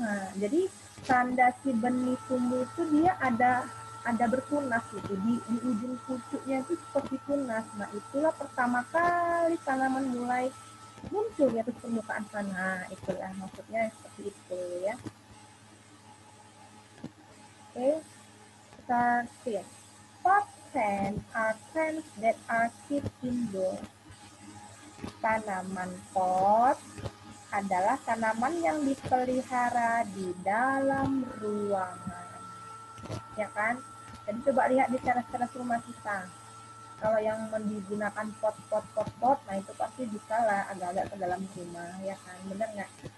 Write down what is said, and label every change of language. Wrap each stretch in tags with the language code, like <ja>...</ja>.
<id>Nah, jadi tanda si benih tumbuh itu dia ada bertunas gitu di ujung pucuknya itu seperti tunas. Nah, itulah pertama kali tanaman mulai muncul ya di permukaan tanah. Itulah maksudnya seperti itu ya.</id> <en>Oke. Starting. Pot plants are plants that are kept indoors.</en> <id>Tanaman pot adalah tanaman yang dipelihara di dalam ruangan. Ya kan? Jadi coba lihat di teras-teras rumah kita. Kalau yang menggunakan pot, nah itu pasti bisa lah agak-agak ke dalam rumah, ya kan? Benar nggak?</id>